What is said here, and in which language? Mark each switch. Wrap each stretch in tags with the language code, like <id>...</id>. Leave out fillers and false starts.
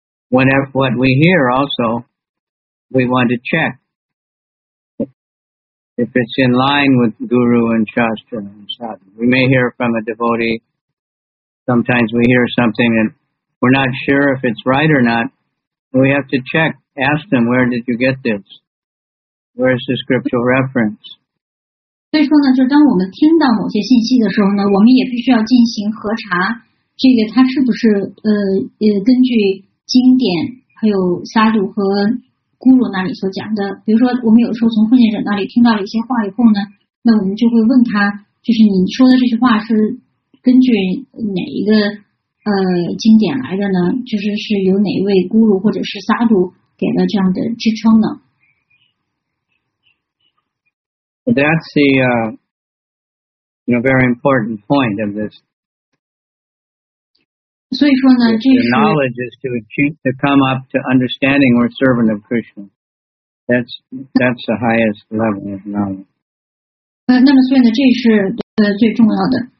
<en>Whatever, what we hear also, we want to check if it's in line with Guru and Shastra and Sadhu. We may hear from a devotee. Sometimes we hear something and we're not sure if it's right or not. We have to check, ask them, where did you get this? Where's the scriptural reference?</en> <zh>所以说呢，就当我们听到某些信息的时候呢，我们也必须要进行核查，这个它是不是根据经典还有萨鲁和咕噜那里所讲的，比如说我们有时候从奉献者那里听到了一些话以后呢，那我们就会问他，就是你说的这些话是根据哪一个经典来的呢？就是是由哪一位咕噜或者是萨鲁给了这样的支撑呢</zh> <en>？That's the very important point of this.</en> <zh>所以说呢，这是</zh> <en>the knowledge is to come up to understanding we're servant of Krishna. That's the highest level of knowledge.</en> <zh>那么所以呢，这是最重要的。</zh>